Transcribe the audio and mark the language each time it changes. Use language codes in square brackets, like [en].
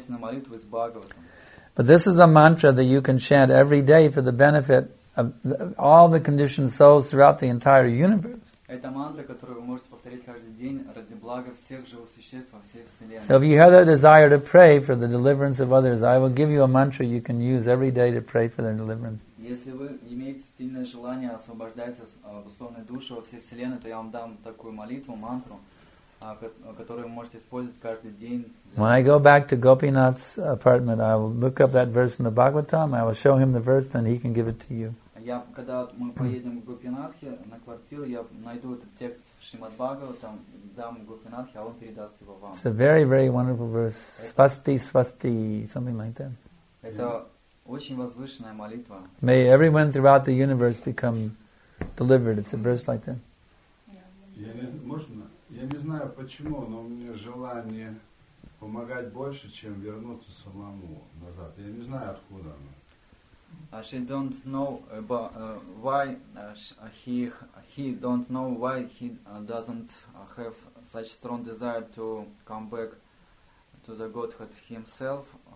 [en] But this is a mantra that you can chant every day for the benefit of all the conditioned souls throughout the entire universe. [ru] Это мантра, которую вы можете повторить каждый день ради блага всех живых существ во всей вселенной. [en] So if you have that desire to pray for the deliverance of others, I will give you a mantra you can use every day to pray for their deliverance. [ru] Если вы имеете сильное желание освобождать обусловленные души во всей вселенной, то я вам дам такую молитву, мантру, которую вы можете использовать каждый день. [en] When I go back to Gopinath's apartment, I will look up that verse in the Bhagavatam. I will show him the verse, then he can give it to you. [ru] Когда мы поедем к Гопинатхе на квартиру, я найду этот текст Шримад-Бхагаватам, дам Гопинатхе, а он передаст его вам. [en] It's a very, very wonderful verse. [sa] Свасти, свасти, [en] something like that. [ru] Это очень возвышенная молитва. [en] May everyone throughout the universe become delivered. It's a verse like that. [ru] Можно? Я не знаю почему, но у меня желание помогать больше, чем вернуться самому назад. Я не знаю откуда оно. [en] She don't know about why he don't know why he doesn't have such strong desire to come back to the Godhead himself.